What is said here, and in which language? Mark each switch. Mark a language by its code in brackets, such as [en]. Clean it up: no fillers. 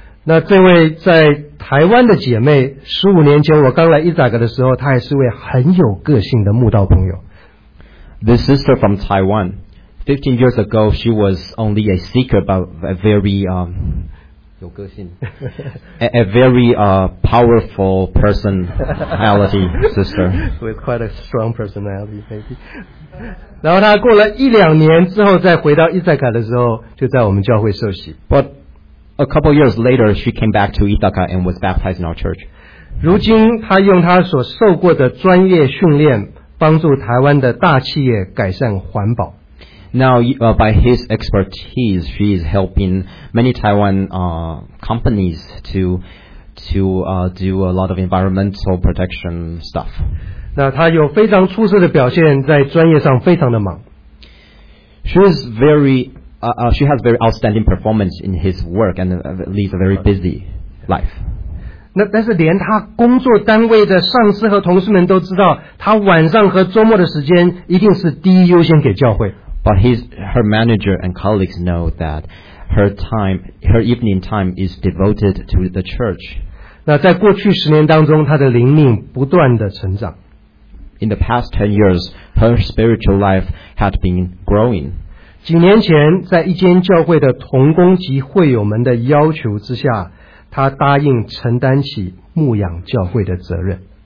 [zh] 那这位在台湾的姐妹，15年前我刚来伊萨格的时候，她也是位很有个性的慕道朋友。 [en] This sister from Taiwan, 15 years ago, she was only a seeker, but a very [zh] 有个性 [en] a very powerful personality sister with quite a strong personality maybe. [zh] 然后她过了一两年之后，再回到伊萨格的时候，就在我们教会受洗。 [en] But a couple of years later, she came back to Ithaca and was baptized in our church. [zh] 如今她用她所受过的专业训练，帮助台湾的大企业改善环保。 [en] Now, by his expertise, she is helping many Taiwan companies to do a lot of environmental protection stuff. [zh] 那她有非常出色的表现，在专业上非常的忙。 [en] She has very outstanding performance in his work and leads a very busy life. [zh] 那但是连他工作单位的上司和同事们都知道，他晚上和周末的时间一定是第一优先给教会。 [en] But her manager and colleagues know that her evening time is devoted to the church. [zh] 那在过去十年当中，他的灵命不断的成长。 [en] In the past 10 years, her spiritual life had been growing. [zh] 几年前在一间教会的同工及会友们的要求之下，他答应承担起牧养教会的责任。